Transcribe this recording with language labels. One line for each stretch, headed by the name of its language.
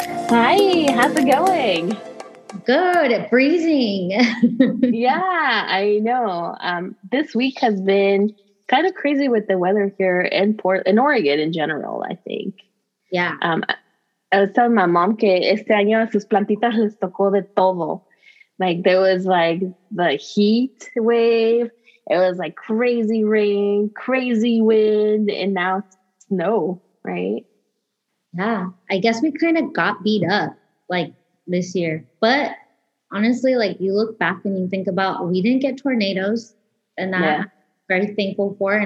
English: Hi, how's it going? Good, breathing. Yeah, I know. This week has been kind of crazy with the weather here in Portland, in Oregon in general, I think. Yeah. I was telling my mom
Spanish: que este año a sus plantitas les tocó de todo.
English: Like, there was like the heat wave, it was like crazy rain, crazy wind, and now it's snow, right? Yeah, I guess we kind of got beat up like this year. But honestly, like you look back and you think about, we didn't get tornadoes, and that I'm very thankful for.